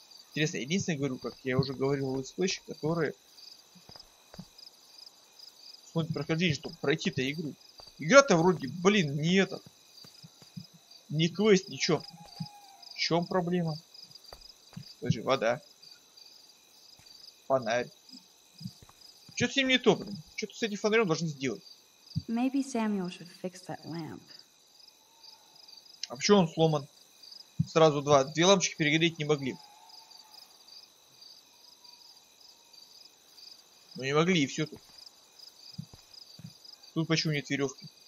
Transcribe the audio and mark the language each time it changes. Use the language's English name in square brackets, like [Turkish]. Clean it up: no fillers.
[Russian] Интересно, единственный, говорю, как я уже говорил, летсплейщик, который смотрит прохождение, чтобы пройти-то игру. Игра-то вроде, блин, не этот. Не квест, ничего. В чем проблема? Подожди, вода. Фонарь. Что-то с ним не то, блин. Что-то с этим фонарем должны сделать. [English] Maybe Samuel should fix that lamp. [Russian] А почему он сломан? Сразу два. Две лампочки перегореть не могли. Ну не могли, и все тут. Тут почему нет веревки?